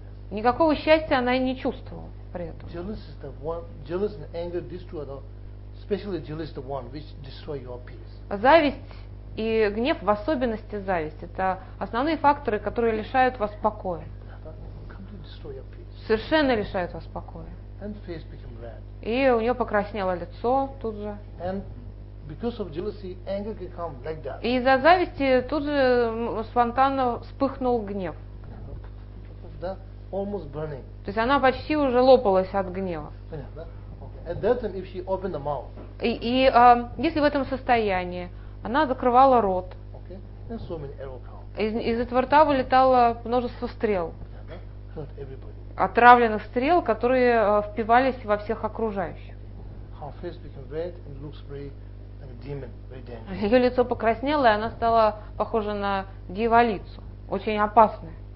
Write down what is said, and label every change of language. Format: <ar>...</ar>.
<ru>Никакого счастья она и не чувствовала при этом.</ru> <en>Jealousy is the one, jealous and anger destroy the, especially jealousy is the one which destroy your peace.</en> <ru>Зависть и гнев, в особенности зависть, это основные факторы, которые лишают вас покоя.</ru> <en>Completely destroy your peace.</en> <ru>Совершенно лишают вас покоя.</ru> <en>And face became red.</en> <ru>И у нее покраснело лицо тут же.</ru> <en>And because of jealousy, anger can come like that.</en> <ru>И из-за зависти тут же спонтанно вспыхнул гнев. Да.</ru> <en>Almost burning.</en> <ru>То есть она почти уже лопалась от гнева.</ru> <en>At that time, if she opened the mouth.</en> <ru>И если в этом состоянии она закрывала рот.</ru> <en>Okay. And so many arrows come.</en> <ru>Из этого рта вылетало множество стрел.</ru> <en>Hurt everybody.</en> <ru>Отравленных стрел, которые впивались во всех окружающих.</ru> <en>Her face became red and looks very like a demon, very dangerous.</en> <ru>Ее лицо покраснело, и она стала похожа на дьяволицу, очень опасная.</ru>